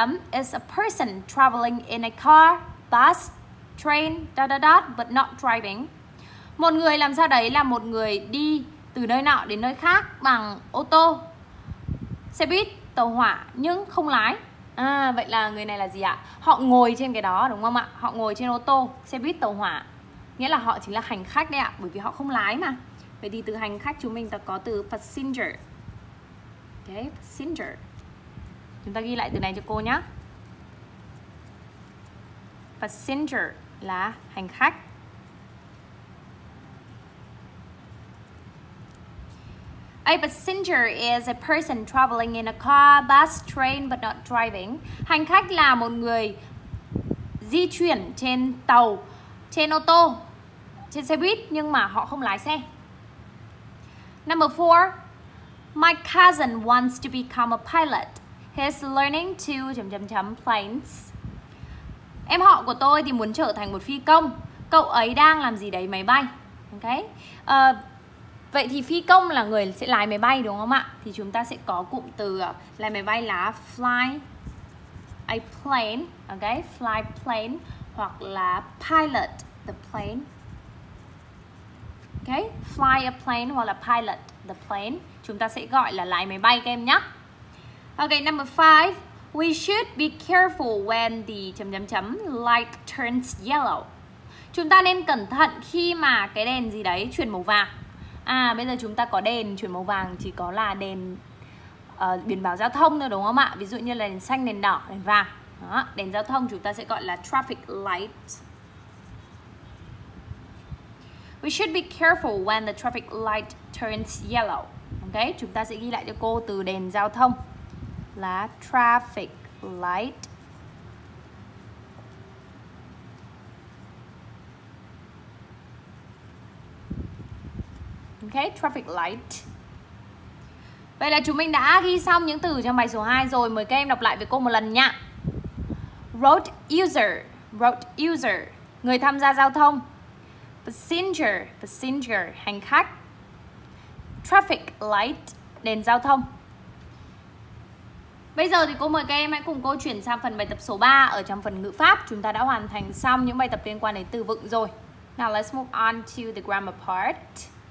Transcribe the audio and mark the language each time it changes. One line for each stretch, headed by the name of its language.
English: Is a person traveling in a car, bus, train, but not driving?
Vietnamese: Một người làm sao đấy là một người đi từ nơi nọ đến nơi khác bằng ô tô, xe buýt, tàu hỏa nhưng không lái. À, vậy là người này là gì ạ? Họ ngồi trên cái đó đúng không ạ? Họ ngồi trên ô tô, xe buýt, tàu hỏa. Nghĩa là họ chính là hành khách đấy ạ, bởi vì họ không lái mà. Vậy thì từ hành khách chúng mình ta có từ passenger. Ok, passenger. Chúng ta ghi lại từ này cho cô nhé. Passenger là hành khách.
English: A passenger is a person traveling in a car, bus, train but not driving.
Vietnamese: Hành khách là một người di chuyển trên tàu, trên ô tô, trên xe buýt nhưng mà họ không lái xe.
English: Number 4. My cousin wants to become a pilot. He's learning to planes.
Vietnamese: Em họ của tôi thì muốn trở thành một phi công. Cậu ấy đang làm gì đấy, máy bay. Ok. Vậy thì phi công là người sẽ lái máy bay đúng không ạ? Thì chúng ta sẽ có cụm từ lái máy bay là
English: fly a plane,
Vietnamese: okay?
English: Fly plane
Vietnamese: hoặc là
English: pilot the plane. Okay? Fly a plane
Vietnamese: hoặc là
English: pilot the plane.
Vietnamese: Chúng ta sẽ gọi là lái máy bay các em nhé.
English: Okay, number 5. We should be careful when the light turns yellow.
Vietnamese: Chúng ta nên cẩn thận khi mà cái đèn gì đấy chuyển màu vàng. À, bây giờ chúng ta có đèn chuyển màu vàng chỉ có là đèn biển báo giao thông thôi đúng không ạ? Ví dụ như là đèn xanh, đèn đỏ, đèn vàng. Đó, đèn giao thông chúng ta sẽ gọi là traffic light.
English: We should be careful when the traffic light turns yellow.
Vietnamese: Ok, chúng ta sẽ ghi lại cho cô từ đèn giao thông là traffic light. Okay, traffic light. Vậy là chúng mình đã ghi xong những từ trong bài số 2 rồi. Mời các em đọc lại với cô một lần nha. Road user, road user, người tham gia giao thông. Passenger, passenger, hành khách. Traffic light, đèn giao thông. Bây giờ thì cô mời các em hãy cùng cô chuyển sang phần bài tập số 3. Ở trong phần ngữ pháp, chúng ta đã hoàn thành xong những bài tập liên quan đến từ vựng rồi.
English: Now let's move on to the grammar part.